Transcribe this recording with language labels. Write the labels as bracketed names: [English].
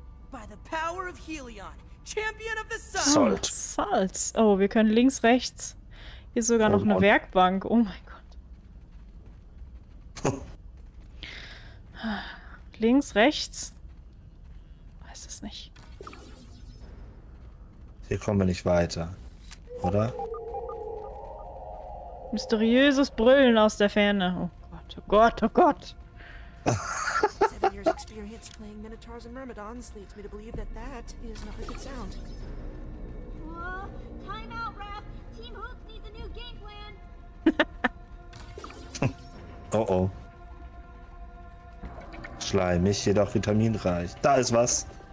[English] By the power of Helion, Champion of the Sun. Salt. [German] Salz. Oh, wir können links, rechts. Hier ist sogar noch eine Werkbank. Oh mein Gott. Links, rechts. Weiß es nicht. Hier kommen wir nicht weiter. Oder? Mysteriöses Brüllen aus der Ferne. Oh Gott, oh Gott, oh Gott. [English] Experience playing Minotaurs and Myrmidons leads me to believe that that is not a good sound. Whoa, time out, Raph! Team Hoops needs a new game plan! Oh-oh. [German] Schleimig, jedoch vitaminreich. Da ist was!